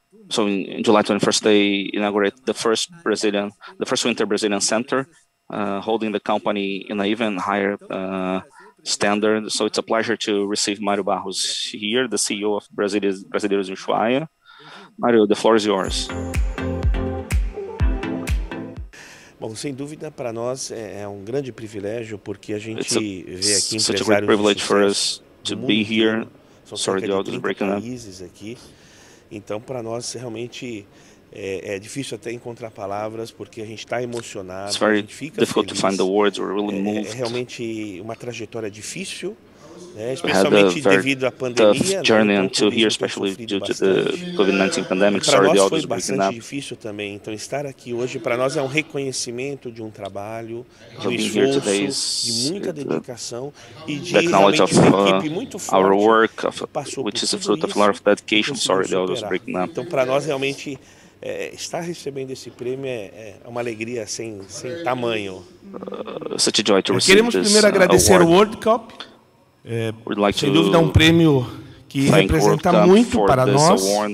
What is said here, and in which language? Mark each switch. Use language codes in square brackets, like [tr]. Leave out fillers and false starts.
[en] So in July 21st, they inaugurate the first winter Brazilian center, holding the company in an even higher standard. So it's a pleasure to receive Mario Barros here, the CEO of Brasileiros em Ushuaia. Mario, the floor is yours. [pt] Bom, sem dúvida, para nós é um grande privilégio, porque a gente vê aqui empresários de sucesso. [en] Privilege for us to be here. Sorry, the audio is breaking up. [pt] Então, para nós, realmente, É difícil até encontrar palavras porque a gente está emocionado. [en] It's very difficult to find the words. We're really moved. [pt] É realmente uma trajetória difícil, né? Especialmente devido à pandemia. [en] We had a journey until here, especially due to the COVID-19 pandemic. Sorry, the audio is breaking up. [pt] Foi bastante difícil também. Então estar aqui hoje para nós é um reconhecimento de um trabalho, de um esforço, de muita dedicação e de realmente uma equipe muito forte. [en] Our work, which is a fruit of a lot of dedication. Sorry, the audio is breaking up. [pt] Então para nós realmente estar recebendo esse prêmio é uma alegria sem tamanho. [en] Such a joy to receive. [pt] Queremos primeiro agradecer ao WORLDCOB. Sem dúvida, é um prêmio que representa muito para nós.